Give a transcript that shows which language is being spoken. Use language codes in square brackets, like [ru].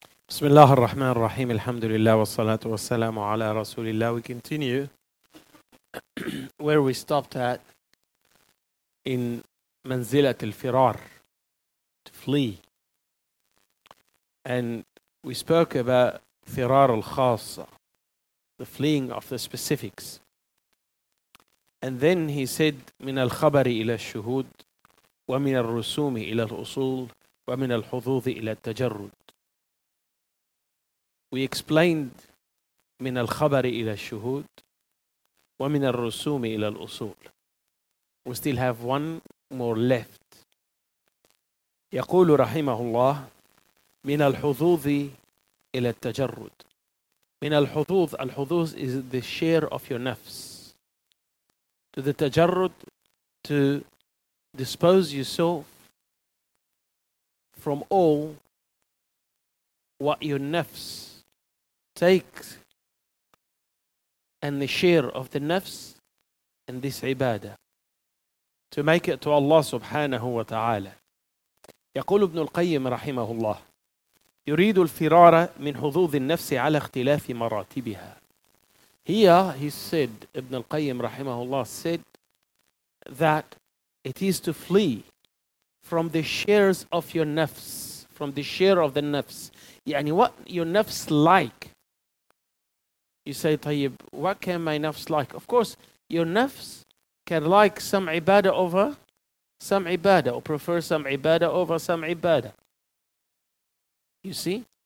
[ar] بسم الله الرحمن الرحيم الحمد لله والصلاة والسلام على رسول الله. [en] We continue where we stopped at [ar] in منزلة الفرار, [en] to flee. And we spoke about فرار الخاصة, the fleeing of the specifics. [ar] And then he said من الخبر إلى الشهود ومن الرسوم إلى الأصول ومن الحظوظ إلى التجرد. We explained من الخبر إلى الشهود ومن الرسوم إلى الأصول. [en] We still have one more left. [ar] يقول رحمه الله من الحظوظ إلى التجرد. [en] من الحظوظ, الحظوظ is the share of your nafs. To the تجرد, to dispose yourself from all what your nafs takes, and the share of the nafs and this ibadah, to make it to Allah subhanahu wa ta'ala. [ar] يقول ابن القيم رحمه الله يريد الفرار من حظوظ النفس على اختلاف مراتبها. [en] He said ابن القيم رحمه الله said that it is to flee from the shares of your nafs, from the share of the nafs, يعني what your nafs like. You say, طيب, what can my nafs like? Of course, your nafs can like some ibadah over some ibadah, or prefer some ibadah over some ibadah. You see?